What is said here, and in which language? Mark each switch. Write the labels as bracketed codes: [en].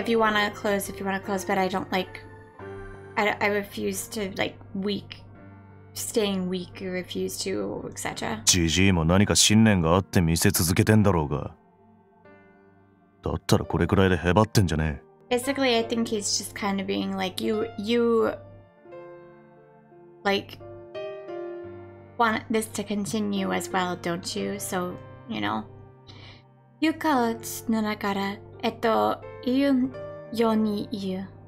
[en] If you want to close, but I don't like, I refuse to like weak, staying weak. I refuse to, etc. [ja] ジジイも何か信念があって見せ続けてんだろうが。だったらこれくらいでへばってんじゃねえ。 [en] Basically, I think he's just kind of being like you want this to continue as well, don't you? So, you know. You call it nanakara, yun yoni yu.